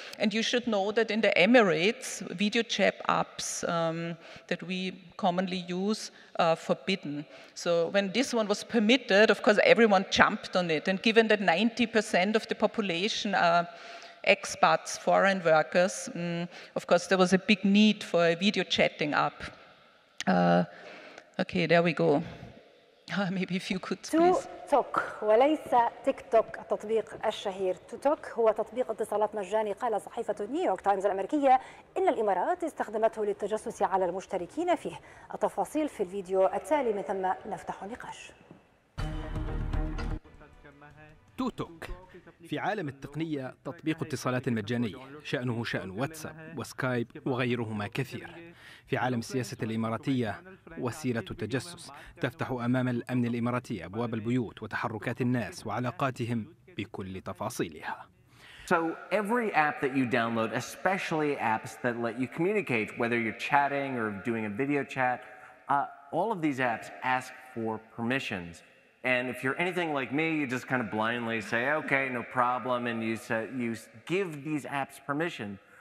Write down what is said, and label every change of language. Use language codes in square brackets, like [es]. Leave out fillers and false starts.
[en] And you should know that in the Emirates, video chat apps that we commonly use are forbidden. So when this one was permitted, of course, everyone jumped on it. And given that 90% of the population are expats, foreign workers, of course, there was a big need for a video chatting app. Okay, there we go. Maybe if you could, please. [ar] TikTok وليس تيك توك التطبيق الشهير. TikTok هو تطبيق اتصالات مجاني. قال صحيفة نيويورك تايمز الأمريكية إن الإمارات استخدمته للتجسس على المشتركين فيه. التفاصيل في الفيديو التالي، من ثم نفتح النقاش. توك في عالم التقنية تطبيق اتصالات مجاني، شأنه شأن واتساب وسكايب وغيرهما كثير. في عالم السياسة الإماراتية وسيلة التجسس تفتح أمام الأمن الإماراتي أبواب البيوت وتحركات الناس وعلاقاتهم بكل تفاصيلها. [en] So every app that you download, especially apps that let you communicate, whether you're chatting or doing a video chat, all of these apps ask for permissions. And if you're anything like me, you just kind of blindly say, okay, no problem, and you give these apps permission.